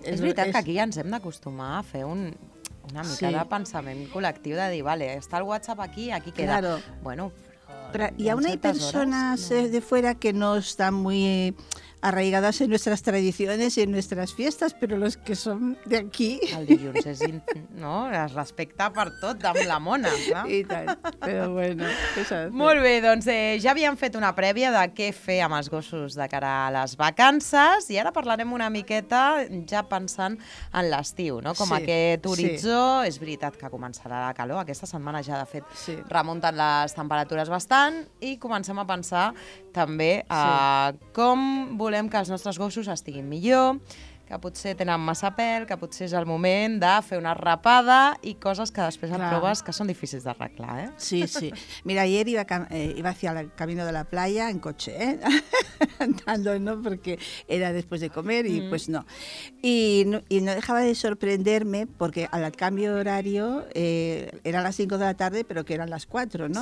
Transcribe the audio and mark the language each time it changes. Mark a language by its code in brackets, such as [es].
[es] es verdad que aquí ya nos hemos acostumbrado a hacer [ca] una mica, [es] sí, de pensamiento colectivo, de decir, vale, está el WhatsApp aquí, aquí queda. Claro. Bueno, pero, y aún hay personas horas, no, de fuera que no están muy arraigadas en nuestras tradiciones y en nuestras fiestas, pero los que son de aquí... [ca] El dilluns es, no, es respecta per tot, amb la mona, clar. I tant, però bueno, què s'ha de fer? Molt bé, doncs ja havíem fet una prèvia de què fer amb els gossos de cara a les vacances i ara parlarem una miqueta ja pensant en l'estiu, no? Com sí, aquest horitzó, sí, és veritat que començarà la calor, aquesta setmana ja de fet sí, remunten les temperatures bastant i comencem a pensar també sí, com volem que els nostres gossos estiguin millor, que potser tenen massa pèl, que potser és el moment de fer una rapada i coses que després et trobes que són difícils d'arreglar. Sí, sí. [es] Mira, ayer iba hacia el camino de la playa en coche, andando, ¿no?, porque era después de comer y pues no. Y no dejaba de sorprenderme porque al cambio de horario eran las 5 de la tarde, pero que eran las 4, ¿no?